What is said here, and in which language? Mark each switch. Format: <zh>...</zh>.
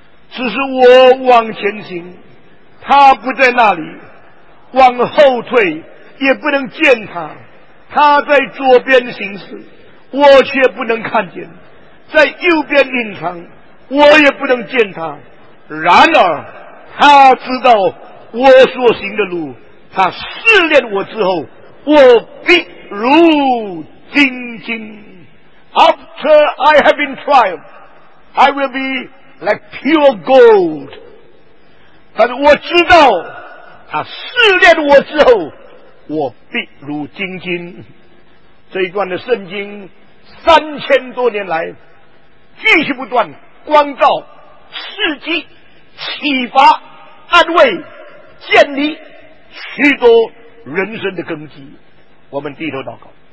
<zh>只是我往前行，他不在那里，往后退也不能见他，他在左边行事，我却不能看见，在右边隐藏，我也不能见他。然而他知道我所行的路，他试炼我之后，我必如金金。</zh> <en>After I have been tried, I will be like pure gold。</en> <zh>但是我知道他试炼我之后，我必如金金。这一段的圣经3000多年来继续不断光照、刺激、启发、安慰、建立许多人生的根基。我们低头祷告。</zh>